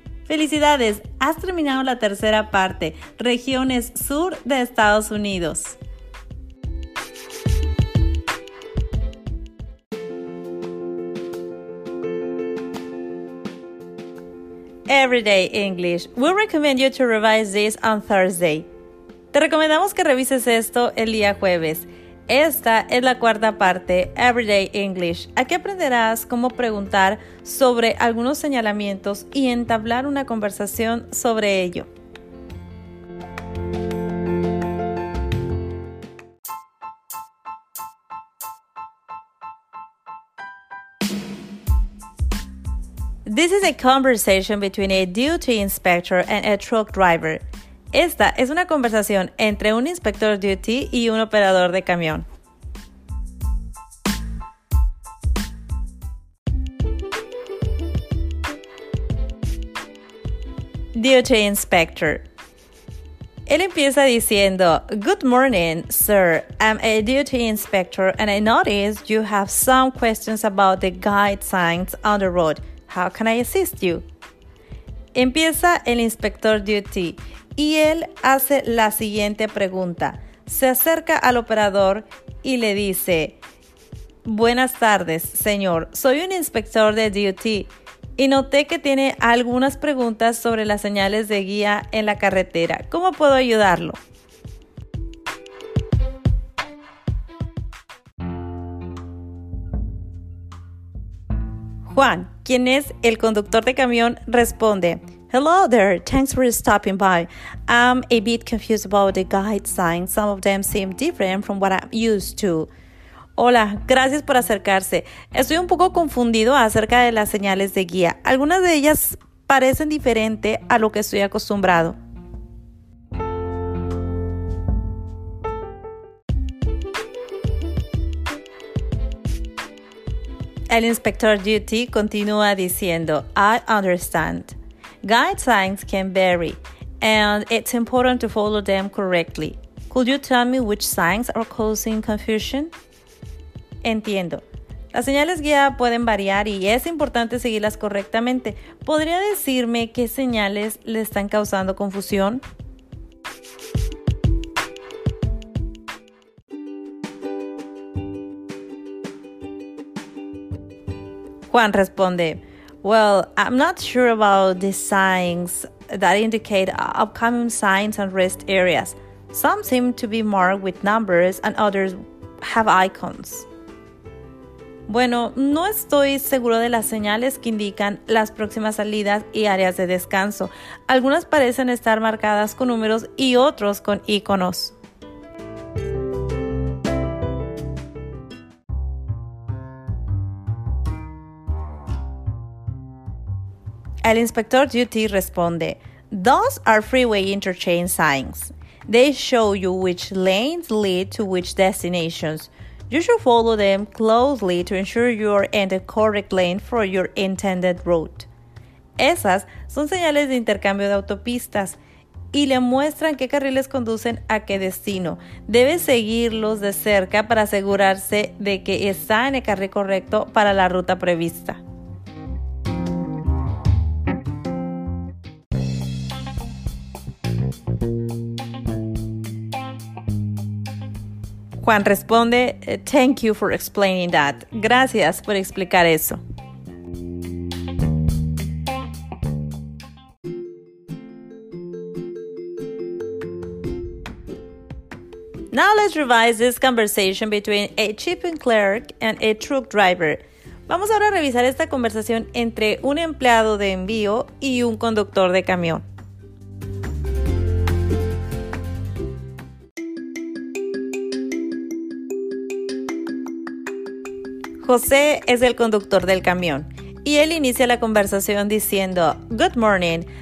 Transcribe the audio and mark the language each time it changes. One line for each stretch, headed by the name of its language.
Spanish: Felicidades, has terminado la tercera parte, regiones sur de Estados Unidos.
English: Everyday English. We recommend you to revise this on Thursday.
Spanish: Te recomendamos que revises esto el día jueves. Esta es la cuarta parte, Everyday English. Aquí aprenderás cómo preguntar sobre algunos señalamientos y entablar una conversación sobre ello.
English: This is a conversation between a duty inspector and a truck driver.
Spanish: Esta es una conversación entre un inspector duty y un operador de camión. Duty inspector. Él empieza diciendo,
English: "Good morning, sir. I'm a duty inspector and I notice you have some questions about the guide signs on the road. How can I assist you?"
Spanish: Empieza el inspector duty y él hace la siguiente pregunta. Se acerca al operador y le dice, "Buenas tardes, señor. Soy un inspector de duty y noté que tiene algunas preguntas sobre las señales de guía en la carretera. ¿Cómo puedo ayudarlo?" Juan, quien es el conductor de camión, responde,
English: "Hello there, thanks for stopping by. I'm a bit confused about the guide signs. Some of them seem different from what I'm used to."
Spanish: Hola, gracias por acercarse. Estoy un poco confundido acerca de las señales de guía. Algunas de ellas parecen diferente a lo que estoy acostumbrado. El inspector duty continúa diciendo,
English: "I understand. Guide signs can vary, and it's important to follow them correctly. Could you tell me which signs are causing confusion?"
Spanish: Entiendo. Las señales guía pueden variar y es importante seguirlas correctamente. ¿Podría decirme qué señales le están causando confusión? Juan responde,
English: Well, I'm not sure about the signs that indicate upcoming signs and rest areas. Some seem to be marked with numbers and others have icons.
Spanish: Bueno, no estoy seguro de las señales que indican las próximas salidas y áreas de descanso. Algunas parecen estar marcadas con números y otros con iconos. El inspector duty responde,
English: "Those are freeway interchange signs. They show you which lanes lead to which destinations. You should follow them closely to ensure you are in the correct lane for your intended route."
Spanish: Esas son señales de intercambio de autopistas y le muestran qué carriles conducen a qué destino. Debe seguirlos de cerca para asegurarse de que está en el carril correcto para la ruta prevista. Juan responde,
English: "Thank you for explaining that."
Spanish: Gracias por explicar eso.
English: Now let's revise this conversation between a shipping clerk and a truck driver.
Spanish: Vamos ahora a revisar esta conversación entre un empleado de envío y un conductor de camión. José es el conductor del camión y él inicia la conversación diciendo, "Good morning.